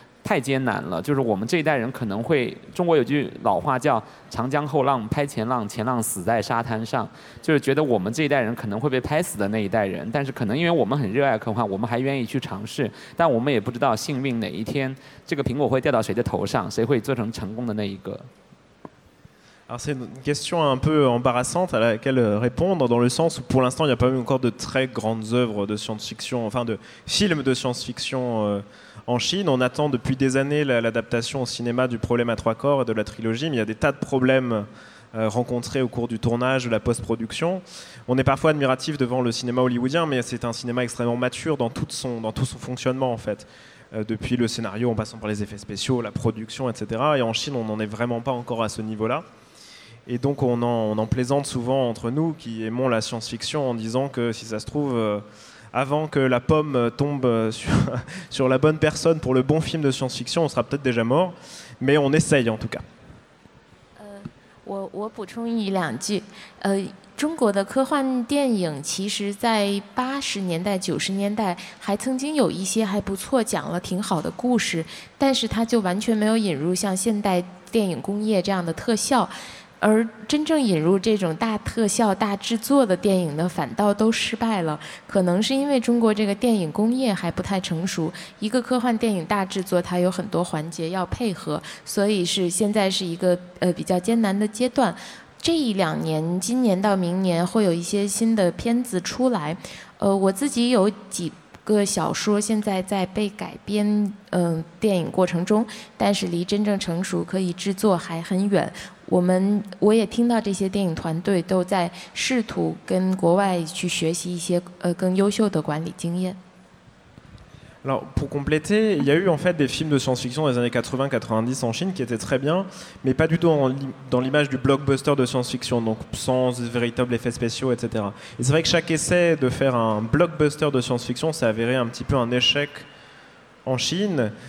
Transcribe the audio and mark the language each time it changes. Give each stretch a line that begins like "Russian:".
Chinese: 太艰难了，就是我们这一代人可能会，中国有句老话叫长江后浪拍前浪，前浪死在沙滩上，就是觉得我们这一代人可能会被拍死的那一代人，但是可能因为我们很热爱科幻，我们还愿意去尝试，但我们也不知道幸运哪一天这个苹果会掉到谁的头上，谁会做成成功的那一个。
French: Alors c'est une question un peu embarrassante à laquelle répondre, dans le sens où pour l'instant il n'y a pas eu encore de très grandes œuvres de science-fiction, enfin de films de science-fiction en Chine. On attend depuis des années l'adaptation au cinéma du problème à trois corps et de la trilogie, mais il y a des tas de problèmes rencontrés au cours du tournage, de la post-production. On est parfois admiratif devant le cinéma hollywoodien, mais c'est un cinéma extrêmement mature dans tout son, fonctionnement en fait. Depuis le scénario, en passant par les effets spéciaux, la production, etc. Et en Chine, on n'en est vraiment pas encore à ce niveau-là. Et donc, on en plaisante souvent entre nous qui aimons la science-fiction en disant que si ça se trouve, avant que la pomme tombe sur la bonne personne pour le bon film de science-fiction, on sera peut-être déjà mort. Mais on essaye, en tout cas.
Chinese: 我补充一两句，中国的科幻电影其实在80年代、90年代还曾经有一些还不错，讲了挺好的故事，但是它就完全没有引入像现代电影工业这样的特效，而真正引入这种大特效、大制作的电影呢，反倒都失败了。可能是因为中国这个电影工业还不太成熟，一个科幻电影大制作它有很多环节要配合，所以是现在是一个比较艰难的阶段。这一两年，今年到明年会有一些新的片子出来，我自己有几个小说现在在被改编，电影过程中，但是离真正成熟可以制作还很远。我也听到这些电影团队都在试图跟国外去学习一些更优秀的管理经验。
French: Alors, pour compléter, il y a eu en fait des films de science-fiction des années 80-90 en Chine qui étaient très bien, mais pas du tout dans l'image du blockbuster de science-fiction, donc sans véritables effets spéciaux, etc. Et c'est vrai que chaque essai de faire un blockbuster de science-fiction s'est avéré un petit peu un échec en Chine.